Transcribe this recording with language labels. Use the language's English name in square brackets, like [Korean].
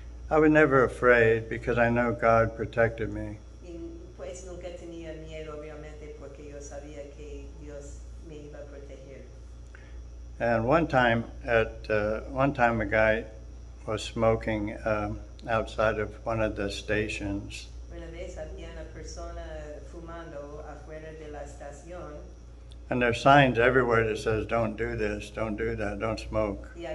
[English] I was never afraid because I know God protected me. [Spanish] Y pues nunca tenía miedo, obviamente, porque yo sabía que Dios me iba a proteger. [English] And one time a guy was smoking outside of one of the stations. [Spanish] Una vez había una persona fumando afuera de la estación. [English] And there are signs everywhere that says, don't do this, don't do that, don't smoke.